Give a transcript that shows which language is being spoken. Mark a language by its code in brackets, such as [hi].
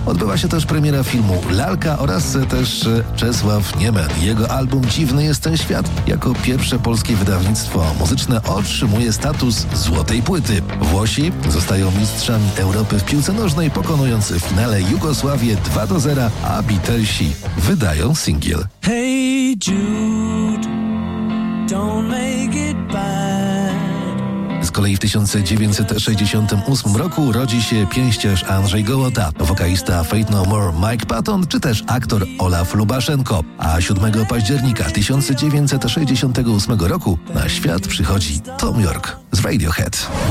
[pl] Odbywa się też premiera filmu Lalka oraz też Czesław Niemen. Jego album Dziwny jest ten świat jako pierwsze polskie wydawnictwo muzyczne otrzymuje status złotej płyty. Włosi zostają mistrzami Europy w piłce nożnej, pokonując w finale Jugosławię 2-0, a Beatlesi wydają singiel. [en] Hey Jude, don't make it bad. [pl] Z kolei w 1968 roku rodzi się pięściarz Andrzej Gołota, wokalista Faith No More Mike Patton czy też aktor Olaf Lubaszenko. A 7 października 1968 roku na świat przychodzi Tom York z Radiohead.